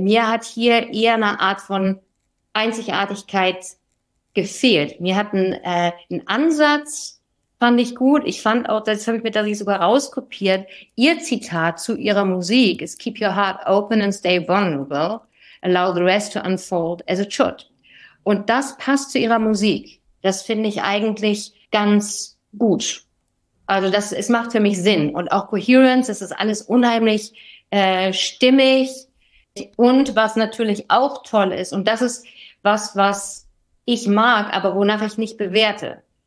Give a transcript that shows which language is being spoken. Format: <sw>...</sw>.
<de>Mir hat hier eher eine Art von Einzigartigkeit gefehlt. Mir hat ein Ansatz, fand ich gut. Ich fand auch, das habe ich mir da sogar rauskopiert, ihr Zitat zu ihrer Musik ist</de> <en>Keep your heart open and stay vulnerable. Allow the rest to unfold as it should.</en> <de>Und das passt zu ihrer Musik. Das finde ich eigentlich ganz gut. Also das, es macht für mich Sinn. Und auch Coherence, das ist alles unheimlich stimmig. Und was natürlich auch toll ist, und das ist was ich mag, aber wonach ich nicht bewerte.</de>